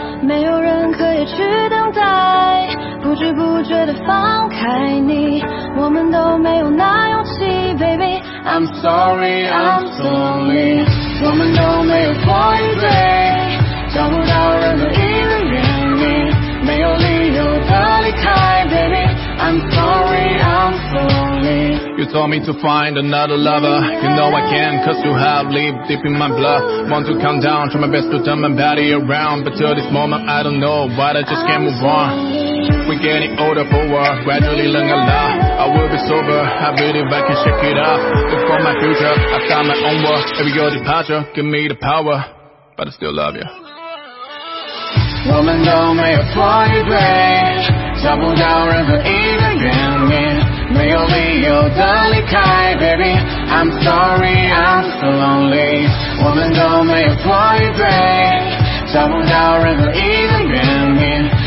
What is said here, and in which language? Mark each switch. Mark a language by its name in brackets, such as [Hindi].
[Chinese] 没有人可以去等待，不知不觉地放开你。我们都没有那勇气 baby。 [English] I'm sorry, I'm so lonely。 [Chinese] 我们都没有错与对，找不到任何一个原因。没有理由的离开 baby。 [English] I'm sorry, I'm so lonely. You told me to find another lover. You know I can't, cause you have lived deep in my blood. Want to calm down, try my best to turn my body around. But till this moment, I don't know why I just can't move on. We're getting older for what? Gradually learn a lot. I will be sober, I believe I can shake it up. Look for my future, I found my own world. Every your departure, give me the power. But I still love you. [Chinese] 我们都没有错与对，找不到任何一个原因。没有理由的离开 baby。 [English] I'm sorry, I'm so lonely。 [Chinese] 我们都没有错与对，找不到任何一个原因。